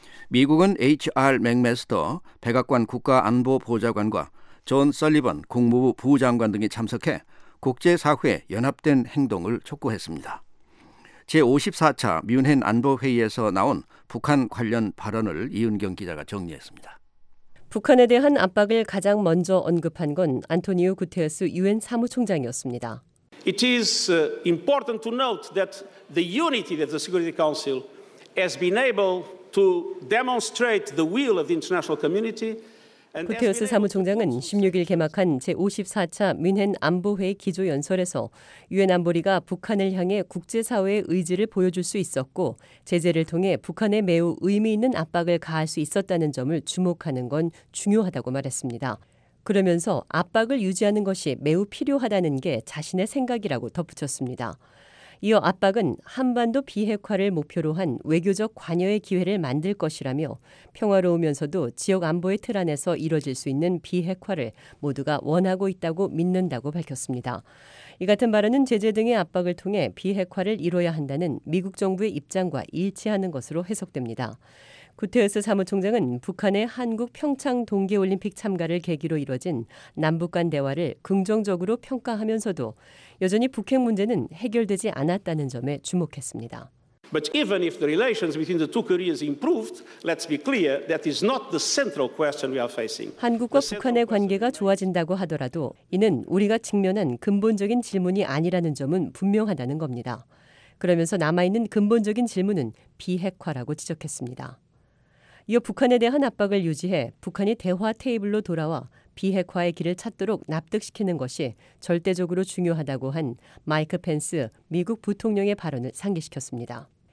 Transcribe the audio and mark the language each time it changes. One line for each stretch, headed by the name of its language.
Korean: 미국은 H.R. 맥메스터 백악관 국가안보보좌관과 존 설리번 국무부 부장관 등이 참석해 국제사회 연합된 행동을 촉구했습니다. 제54차 뮌헨 안보회의에서 나온 북한 관련 발언을 이은경 기자가 정리했습니다. 북한에 대한 압박을 가장 먼저 언급한 건 안토니오 구테스 유엔 사무총장이었습니다.
English: It is important to note that the unity of the Security Council has been able to demonstrate the will of the international community.
Korean: 구테스 사무총장은 16일 개막한 제54차 뮌헨 안보회의 기조연설에서 유엔 안보리가 북한을 향해 국제사회의 의지를 보여줄 수 있었고 제재를 통해 북한에 매우 의미 있는 압박을 가할 수 있었다는 점을 주목하는 건 중요하다고 말했습니다. 그러면서 압박을 유지하는 것이 매우 필요하다는 게 자신의 생각이라고 덧붙였습니다. 이어 압박은 한반도 비핵화를 목표로 한 외교적 관여의 기회를 만들 것이라며 평화로우면서도 지역 안보의 틀 안에서 이뤄질 수 있는 비핵화를 모두가 원하고 있다고 믿는다고 밝혔습니다. 이 같은 발언은 제재 등의 압박을 통해 비핵화를 이뤄야 한다는 미국 정부의 입장과 일치하는 것으로 해석됩니다. 구테스 사무총장은 북한의 한국 평창 동계올림픽 참가를 계기로 이뤄진 남북 간 대화를 긍정적으로 평가하면서도 여전히 북핵 문제는 해결되지 않았다는 점에 주목했습니다.
English: But even if the relations between the two Koreas improved, let's be clear, that is not the central question we are facing.
Korean: 한국과 북한의 관계가 좋아진다고 하더라도 이는 우리가 직면한 근본적인 질문이 아니라는 점은 분명하다는 겁니다. 그러면서 남아있는 근본적인 질문은 비핵화라고 지적했습니다. 이어 북한에 대한 압박을 유지해 북한이 대화 테이블로 돌아와 비핵화의 길을 찾도록 납득시키는 것이 절대적으로 중요하다고 한 마이크 펜스 미국 부통령의 발언을 상기시켰습니다.